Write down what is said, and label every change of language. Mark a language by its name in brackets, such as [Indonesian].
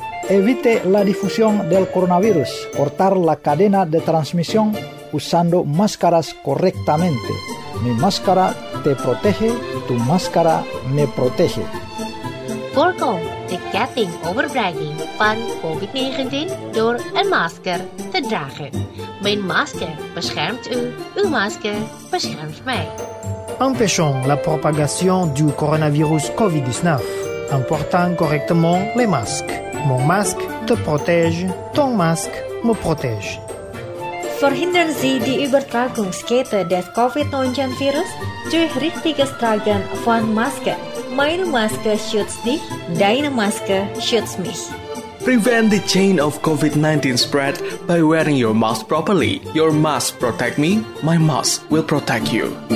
[Spanish] Evite la difusión del coronavirus, cortar la cadena de transmisión usando máscaras correctamente. Mi máscara te protege, tu máscara me protege. [Dutch] Welcome to Getting Over Bragging van COVID-19 door een masker te dragen. Mijn masker beschermt u, uw masker beschermt mij. [French] Empêchons la propagation du coronavirus COVID-19 en portant correctement les masques. Mon masque te protège, ton masque me protège. [German] Verhindern Sie die Übertragungskette des COVID-19 Virus durch richtiges Tragen von Maske. Meine Maske schützt dich, deine Maske schützt mich. [English] Prevent the chain of COVID-19 spread by wearing your mask properly. Your mask protect me, my mask will protect you.